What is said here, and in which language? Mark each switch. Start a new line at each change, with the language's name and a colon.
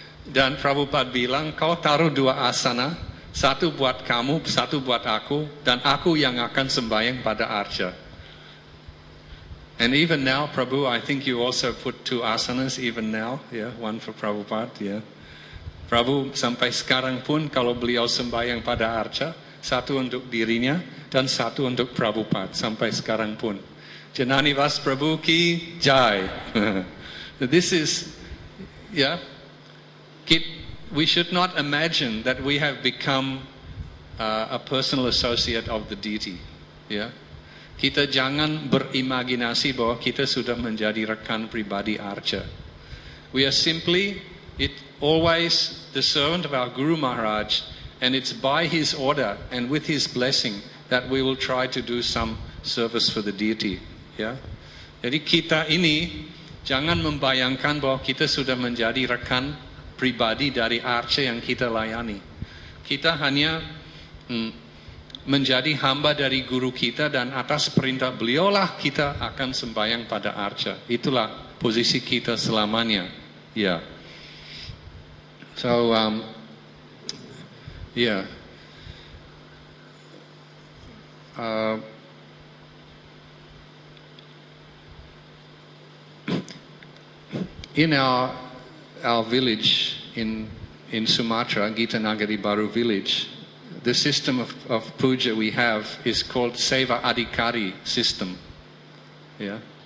Indonesian: Dan Prabhupada bilang, kau taruh dua asana, satu buat kamu, satu buat aku, dan aku yang akan sembahyang pada arca.
English: And even now, Prabhu, I think you also put two asanas even now, yeah, one for Prabhupada, yeah.
Indonesian: Prabhu, sampai sekarang pun, kalau beliau sembahyang pada arca, satu untuk dirinya, dan satu untuk Prabhupada, sampai sekarang pun.
Hindi: Janani Vas Prabhu ki jai.
English: This is, yeah, we should not imagine that we have become a personal associate of the deity.
Indonesian: Yeah, kita jangan berimajinasi bahwa kita sudah menjadi rekan pribadi arca.
English: We are simply, always the servant of our Guru Maharaj, and it's by his order and with his blessing that we will try to do some service for the deity.
Indonesian: Yeah, jadi kita ini jangan membayangkan bahwa kita sudah menjadi rekan pribadi dari arca yang kita layani. Kita hanya menjadi hamba dari guru kita dan atas perintah beliaulah kita akan sembahyang pada arca. Itulah posisi kita selamanya. Ya.
English: Yeah. So in our village in Sumatra, Gita Nagari Baru village, the system of puja we have is called Seva Adhikari system. Yeah.